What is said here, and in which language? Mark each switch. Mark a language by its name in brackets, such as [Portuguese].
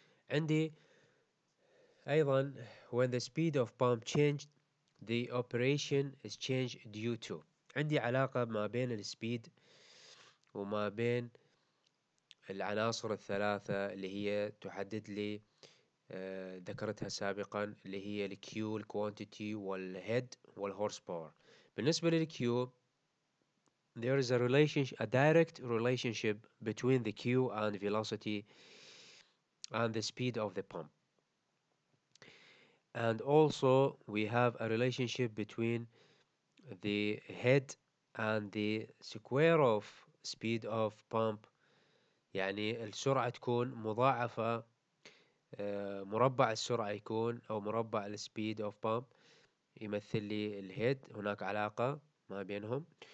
[Arabic] عندي ايضا [English] when the speed of pump changed the operation is changed due to، [Arabic] عندي علاقة ما بين السبيد وما بين العناصر الثلاثة اللي هي تحدد لي ذكرتها سابقا اللي هي الكيو الكوانتيتي والهيد والهورس باور. بالنسبة للكيو [English] there is a relationship, a direct relationship between the Q and velocity and the speed of the pump. And also we have a relationship between the head and the square of speed of pump. [Arabic] يعني السرعة تكون مضاعفة، مربع السرعة يكون أو مربع speed of pump يمثل لي الهيد، هناك علاقة ما بينهم.